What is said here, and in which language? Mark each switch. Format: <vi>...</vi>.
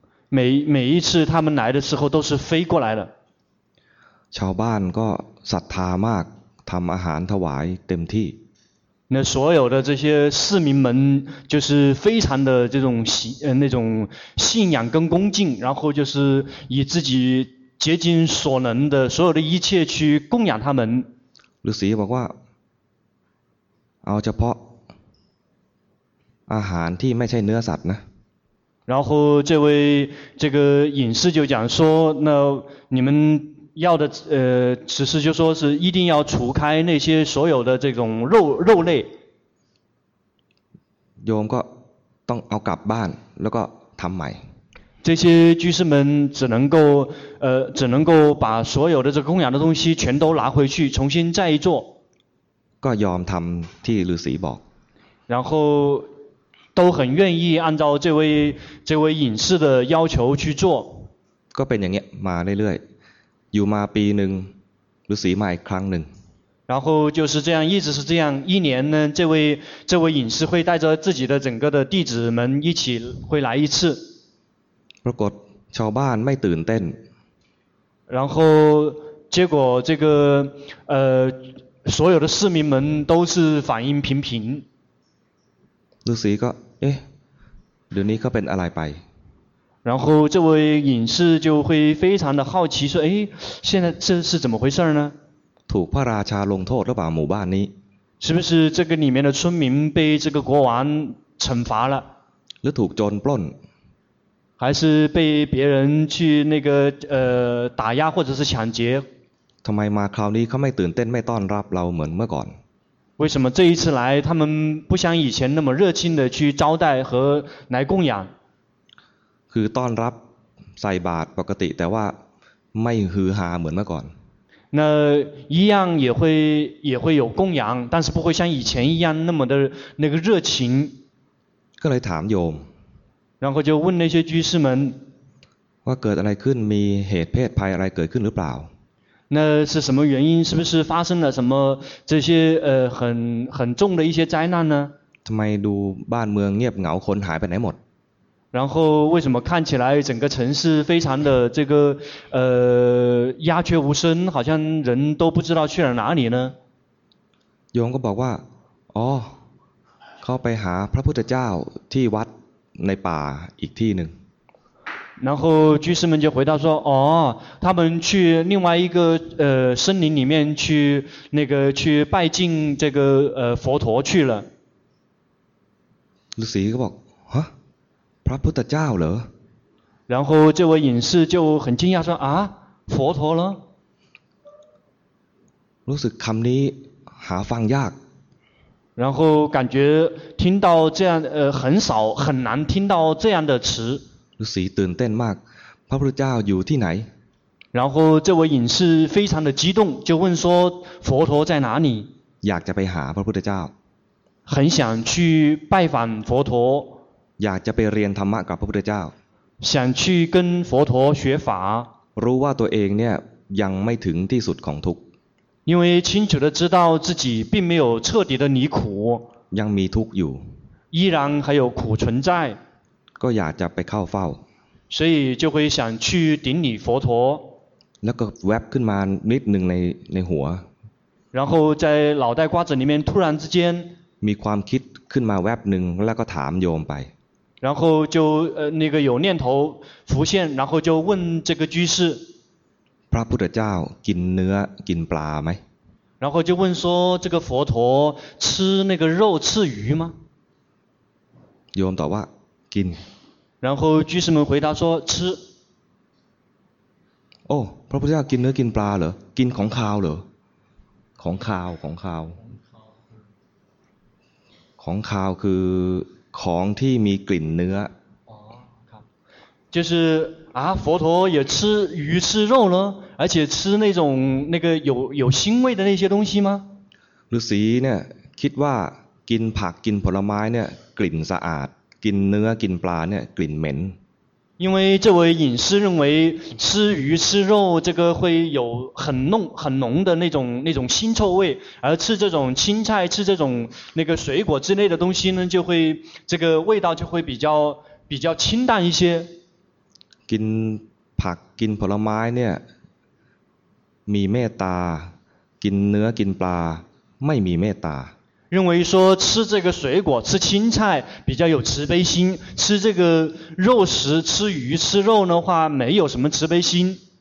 <zh>每一次他们来的时候都是飞过来的</zh> <th>ชาวบ้านก็ศรัทธามากทำอาหารถวายเต็มที่</th> <zh>那所有的这些市民们就是非常的这种那种信仰跟恭敬然后就是以自己竭尽所能的所有的一切去供养他们</zh> <th>ฤาษีบอกว่าเอาเฉพาะอาหารที่ไม่ใช่เนื้อสัตว์นะ</th> <zh>然后这个隐士就讲说那你们要的只是就说是一定要除开那些所有的这种肉类</zh> <th>โยมก็ต้องเอากลับบ้านแล้วก็ทําใหม่</th> <zh>这些居士们只能够把所有的这供养的东西全都拿回去重新再做</zh> <th>ก็ยอมทําที่ฤาษีบอก</th> <zh>然后都很愿意按照这位隐士的要求去做</zh> <th>ก็เป็นอย่างเงี้ยมาเรื่อยๆอยู่มาปีหนึ่งฤาษีมาอีกครั้งหนึ่ง</th> <zh>然后就是这样一直是这样一年呢这位隐士会带着自己的整个的弟子们一起会来一次</zh> <th>ปรากฏชาวบ้านไม่ตื่นเต้น</th> <zh>然后结果这个所有的市民们都是反应平平</zh> <th>ฤาษีก็เอ๊ะเดี๋ยวนี้เขาเป็นอะไรไป</th> <zh>然后这位隐士就会非常的好奇说哎现在这是怎么回事呢</zh> <th>ถูกพระราชาลงโทษหรือเปล่าหมู่บ้านนี้</th> <zh>是不是这个里面的村民被这个国王惩罚了</zh> <th>หรือถูกโจรปล้น</th> <zh>还是被别人去那个打压或者是抢劫</zh> <th>ทำไมมาคราวนี้เขาไม่ตื่นเต้นไม่ต้อนรับเราเหมือนเมื่อก่อน</th> <zh>为什么这一次来他们不像以前那么热情的去招待和来供养</zh> <th>คือต้อนรับใส่บาตรปกติแต่ว่าไม่ฮือฮาเหมือนเมื่อก่อน</th> <zh>那一样也会有供养但是不会像以前一样那么的那个热情</zh> <th>ก็เลยถามโยม</th> <zh>然后就问那些居士们</zh> <th>ว่าเกิดอะไรขึ้นมีเหตุเพศภัยอะไรเกิดขึ้นหรือเปล่า</th> <zh>那是什么原因是不是发生了什么这些很重的一些灾难呢</zh> <th>ทำไมดูบ้านเมืองเงียบเหงาคนหายไปไหนหมด</th> <zh>然后为什么看起来整个城市非常的这个鸦雀无声好像人都不知道去了哪里呢</zh> <th>โยมก็บอกว่าอ๋อเขาไปหาพระพุทธเจ้าที่วัดในป่าอีกที่หนึ่ง</th> <zh>然后居士们就回答说哦他们去另外一个森林里面去那个去拜敬这个佛陀去了</zh> <th>ฤาษีก็บอกพระพุทธเจ้าเหรอ</th> <zh>然后这位隐士就很惊讶说啊佛陀了</zh> <th>รู้สึกคำนี้หาฟังยาก</th> <zh>然后感觉听到这样很少很难听到这样的词</zh> <th>ฤาษีตื่นเต้นมากพระพุทธเจ้าอยู่ที่ไหน</th> <zh>然后这位隐士非常的激动就问说佛陀在哪里</zh> <th>อยากจะไปหาพระพุทธเจ้า</th> <zh>很想去拜访佛陀</zh> <th>อยากจะไปเรียนธรรมะกับพระพุทธเจ้า</th> <zh>想去跟佛陀学法</zh> <th>รู้ว่าตัวเองเนี่ย ยังไม่ถึงที่สุดของทุกข์</th> <zh>因为清楚的知道自己并没有彻底的离苦</zh> <th>ยังมีทุกข์อยู่</th> <zh>依然还有苦存在</zh> <th>ก็อยากจะไปเข้าเฝ้า</th> <zh>所以就会想去顶礼佛陀</zh> <th>แล้วก็แวบขึ้นมานิดหนึ่งในหัว</th> <zh>然后在脑袋瓜子里面突然之间</zh> <th>มีความคิดขึ้นมาแวบหนึ่งแล้วก็ถามโยมไป</th> <zh>然后就那个有念头浮现然后就问这个居士</zh> <th>พระพุทธเจ้ากินเนื้อกินปลาไหม</th> <zh>然后就问说这个佛陀吃那个肉吃鱼吗</zh> <th>โยมตอบว่ากิน</th> <zh>然后居士们回答说吃</zh> <th>โอ้พระพุทธเจ้ากินเนื้อกินปลาเหรอกินของคาวเหรอของคาวของคาวของคาวคือของที่มีกลิ่นเนื้อ</th> <zh>就是啊佛陀也吃鱼吃肉呢而且吃那种那个有腥味的那些东西吗</zh> <th>ฤาษีเนี่ยคิดว่ากินผักกินผลไม้เนี่ยกลิ่นสะอาดกินเนื้อกินปลาเนี่ยกลิ่นเหม็น</th> <zh>因为这位隐士认为吃鱼吃肉这个会有很浓的那种腥臭味而吃这种青菜吃这种那个水果之类的东西呢就会这个味道就会比较清淡一些</zh> <th>กินผักกินผลไม้เนี่ยมีเมตตากินเนื้อกินปลาไม่มีเมตตา</th> <zh>认为说吃这个水果吃青菜比较有慈悲心吃这个肉食吃鱼吃肉的话没有什么慈悲心</zh>